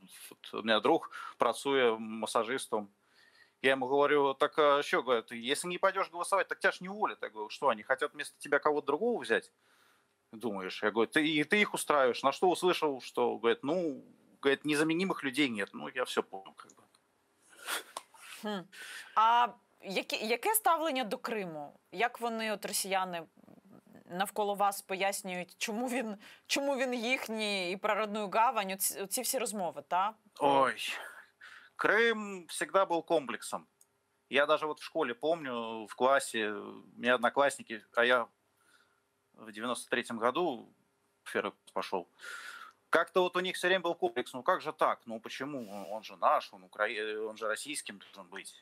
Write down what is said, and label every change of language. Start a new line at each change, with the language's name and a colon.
Russian: Вот у меня друг працует массажистом. Я ему говорю, так что, говорят, если не пойдешь голосовать, так тебя ж не уволят. Я говорю, что они хотят вместо тебя кого-то другого взять? Думаешь, я говорю, ты их устраиваешь. На что услышал, что, говорит, ну, говорит, незаменимых людей нет. Ну, я все понял, как бы.
Ukrainian: А яке ставлення до Криму? Як вони, от росіяни, навколо вас пояснюють, чому він їхній і про рідну гавань? Оці всі розмови, та?
Russian: Ой, Крим всегда был комплексом. Я даже вот в школе помню, в классе, у меня одноклассники, а я в 93-м году пошел. Как-то вот у них все время был комплекс. Ну как же так? Ну почему? Он же наш, он же российским должен быть.